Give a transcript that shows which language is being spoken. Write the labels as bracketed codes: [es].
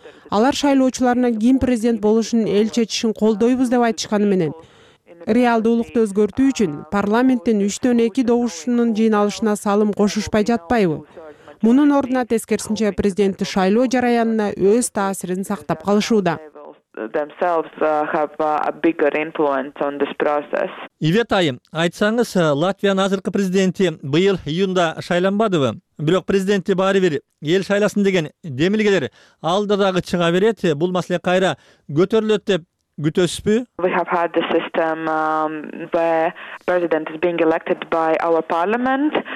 [ky] Алар шайлоочуларына ким президент болушун эл чечишин колдойбуз деп айтышканы менен, реалдуулукту өзгөртүү үчүн парламенттин 3-2 добушунун жыйналышына салым кошушпай жатпайбы? Мунун ордуна тескерисинче президентти шайлоо жараянына өз таасирин сактап калышууда. [en] Themselves have a bigger influence on this process. [ky] Ивет айым, айтсаңыз, Латвиянын азыркы президенти быйыл июнда шайланбадыбы? Бирок президентти баары бир эл шайласын деген демилгелер алда дагы чыга берет, бул маселе кайра көтөрүлөт деп күтөсүзбү? [en] We have had the system where president is being elected by our parliament.